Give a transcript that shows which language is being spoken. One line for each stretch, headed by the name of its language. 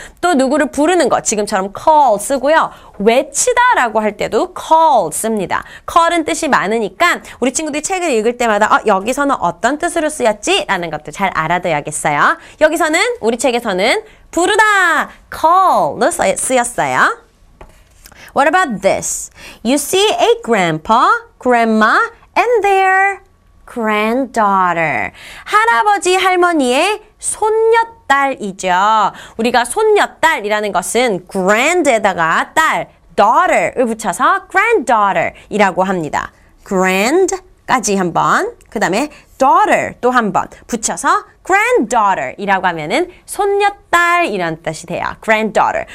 Korean: 또 누구를 부르는 거 지금처럼 call 쓰고요. 외치다라고 할 때도 call 씁니다. call은 뜻이 많으니까 우리 친구들이 책을 읽을 때마다 여기서는 어떤 뜻으로 쓰였지라는 것도 잘 알아둬야겠어요. 여기서는 우리 책에서는 부르다 call로 쓰였어요.
English: What about this? You see a grandpa, grandma, and their granddaughter.
Korean: 할아버지 할머니의 손녀딸이죠. 우리가 손녀딸이라는 것은 grand에다가 딸, daughter을 붙여서 granddaughter이라고 합니다. grand까지 한번, 그 다음에 daughter 또 한번 붙여서 granddaughter이라고 하면은 손녀딸이라는 뜻이 돼요. granddaughter.